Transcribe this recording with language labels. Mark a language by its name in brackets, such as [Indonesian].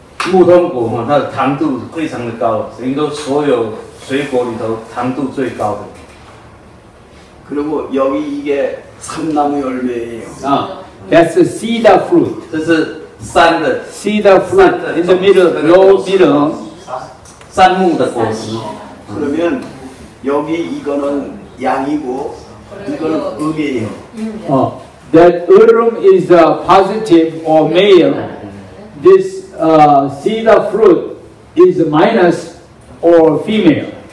[Chinese] 木通果它的糖度非常的高，等于说所有水果里头糖度最高的。 [Korean] 그리고 여기 이게 삼나무 열매예요. [English] That's a cedar fruit. [Chinese] 这是山的 [English] cedar fruit. In the middle, low middle. [Chinese] 杉木的果实. [Korean] 그러면 여기 이거는 양이고 이거는 음이에요. [English] That urum is a positive or male. This cedar fruit is a minus or female.